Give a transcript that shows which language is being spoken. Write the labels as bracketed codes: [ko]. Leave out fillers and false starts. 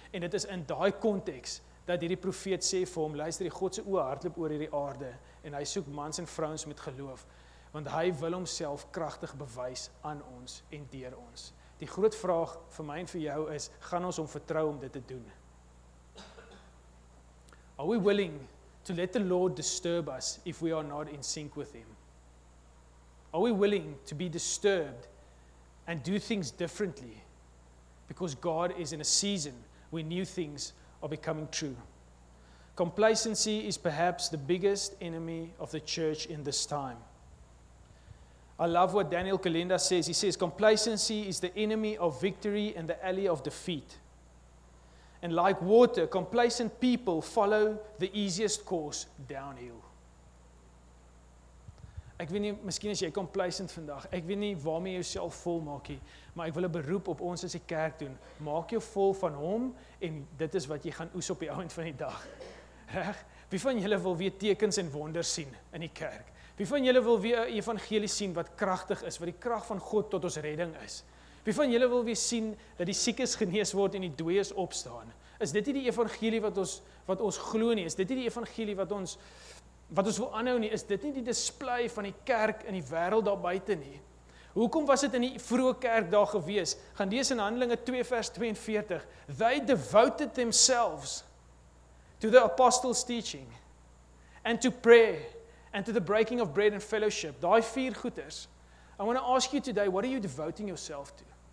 [af] En dit is in daai konteks, dat hierdie profeet sê vir hom, luister, die God se oë hardloop oor hierdie aarde, en hy soek mans en vrouens met geloof. want hy wil homself kragtig bewys aan ons en deur ons. Die groot vraag vir my en vir jou is, gaan ons hom vertrou om dit te doen? [en] Are we willing to let the Lord disturb us if we are not in sync with him? Are we willing to be disturbed and do things differently because God is in a season where new things are becoming true? Complacency is perhaps the biggest enemy of the church in this time. I love what Daniel Kalinda says. He says, complacency is the enemy of victory and the ally of defeat. And like water, complacent people follow the easiest course downhill. [af] Ek weet nie, miskien is jy complacent vandag. Ek weet nie waarmee jy jouself vol maak nie, maar ek wil 'n beroep op ons as die kerk doen. Maak jou vol van hom en dit is wat jy gaan oes op die ouend van die dag. Reg? Wie van julle wil weer tekens en wonders sien in die kerk? Wie van julle wil weer evangelie sien wat kragtig is, wat die krag van God tot ons redding is? Wie van julle wil weer sien dat die siekes genees word en die dooies opstaan? Is dit nie die evangelie wat ons glo nie? Is dit nie die evangelie wat ons wil aanhou nie? Is dit nie die display van die kerk in die wêreld daar buite nie? Hoekom was dit in die vroeë kerk daar gewees? Gaan lees in Handelinge 2 vers 42. [en] They devoted themselves to the apostles' teaching and to prayer and to the breaking of bread and fellowship. [af] Daai vier goeders. [en] I want to ask you today, what are you devoting yourself to?